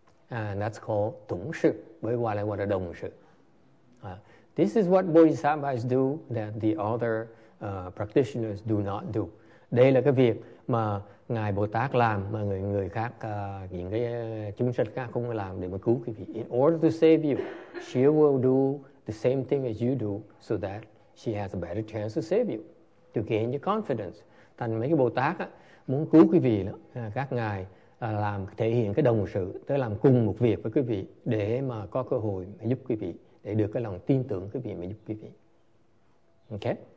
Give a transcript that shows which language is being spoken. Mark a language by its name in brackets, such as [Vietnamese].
[English] And that's called [Vietnamese] tụng sự, bởi qua lại gọi là đồng sự. [English] This is what Bodhisattvas do that the other practitioners do not do. [Vietnamese] Đây là cái việc mà Ngài Bồ Tát làm mà người khác những cái chúng sinh khác không làm để mà cứu quý vị. [English] In order to save you, she will do the same thing as you do so that she has a better chance to save you, to gain your confidence. [Vietnamese] Thành mấy cái Bồ Tát á, muốn cứu quý vị đó, các ngài làm thể hiện cái đồng sự, tới làm cùng một việc với quý vị để mà có cơ hội mà giúp quý vị, để được cái lòng tin tưởng quý vị mà giúp quý vị. Okay?